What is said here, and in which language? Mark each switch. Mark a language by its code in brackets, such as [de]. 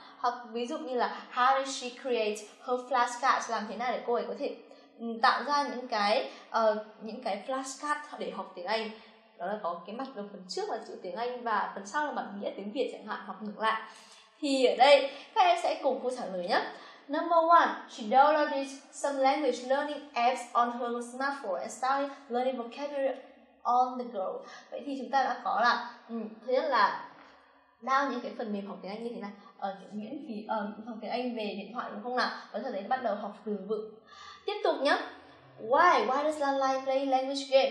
[vi] Hoặc ví dụ như là how did she create her flashcards, làm thế nào để cô ấy có thể tạo ra những cái flashcards để học tiếng Anh. Đó là có cái mặt ở phần trước là chữ tiếng Anh và phần sau là bản nghĩa tiếng Việt chẳng hạn, hoặc ngược lại. Thì ở đây các em sẽ cùng cô trả lời nhé. [en] Number one, she downloaded some language learning apps on her smartphone and started learning vocabulary on the go. [vi] Vậy thì chúng ta đã có là thứ nhất là download những cái phần mềm học tiếng Anh như thế này ở miễn phí, học tiếng Anh về điện thoại đúng không nào? Và sau đấy bắt đầu học từ vựng. Tiếp tục nhé. Why does Lan like play language game?